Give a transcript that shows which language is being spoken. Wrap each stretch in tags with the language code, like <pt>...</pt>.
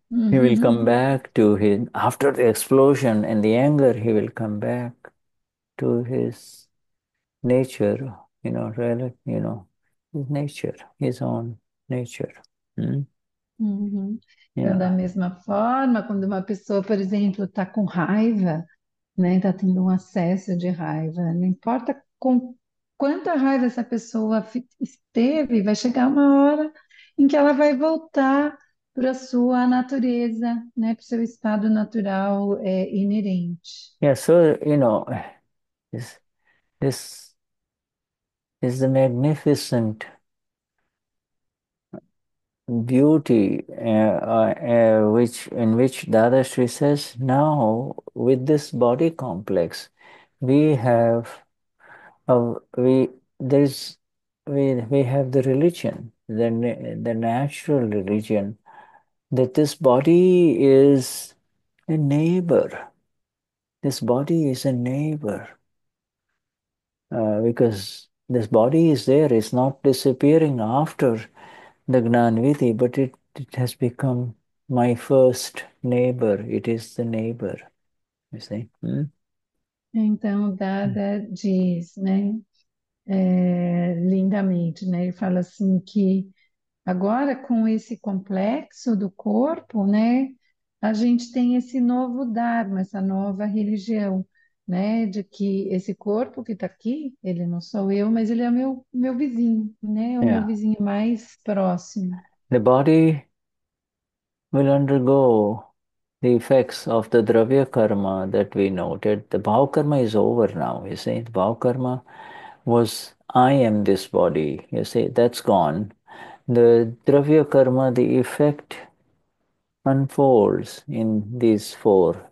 <en>He will come back to his, after the explosion and the anger, he will come back to his nature, you know, relative, you know, his nature, his own nature.</en> <pt>Então, da mesma forma, quando uma pessoa, por exemplo, está com raiva, né, está tendo um acesso de raiva, não importa com quanta raiva essa pessoa esteve, vai chegar uma hora em que ela vai voltar para a sua natureza, né, para o seu estado natural, inerente.</pt> <en>Yeah, so, you know, this is the magnificent beauty in which Dada Sri says, now with this body complex, we have we have the religion, the natural religion, that this body is a neighbor. This body is a neighbor because this body is there. It's not disappearing after the Gnanvithi, but it has become my first neighbor. It is the neighbor, you see.</en> <pt>Então, Dada diz, né, lindamente, né, ele fala assim que agora com esse complexo do corpo, né, a gente tem esse novo Dharma, essa nova religião, né, de que esse corpo que está aqui, ele não sou eu, mas ele é meu vizinho, né, o meu vizinho mais próximo.</pt> <en>The body will undergo the effects of the Dravya karma that we noted. The Bhav karma is over now, you see. The Bhav karma was, I am this body, you see, that's gone. The Dravya karma, the effect unfolds in these four.</en>